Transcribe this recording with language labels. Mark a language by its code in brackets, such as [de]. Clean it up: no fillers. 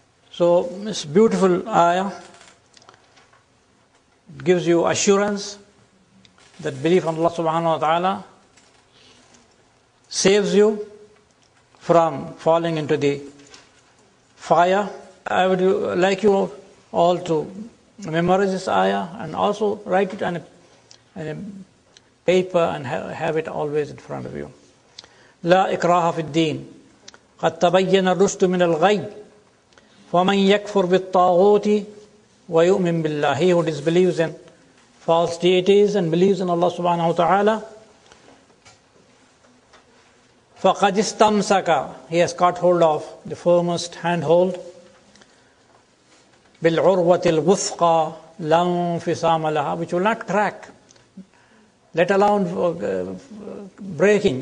[en] So this beautiful ayah gives you assurance that belief in Allah subhanahu wa ta'ala saves you from falling into the fire. I would like you all to memorize this ayah and also write it on a paper and have it always in front of you. [ar] لا إكراه في الدين قد تبين الرشد من الغي فمن يكفر بالطاغوت ويؤمن بالله. [en] He who disbelieves in false deities and believes in Allah subhanahu wa ta'ala [ar] فقد استمسك, [en] he has caught hold of the firmest handhold. [ar] بالعروة الوثقى لا انفصام لها, [en] which will not crack, let alone breaking.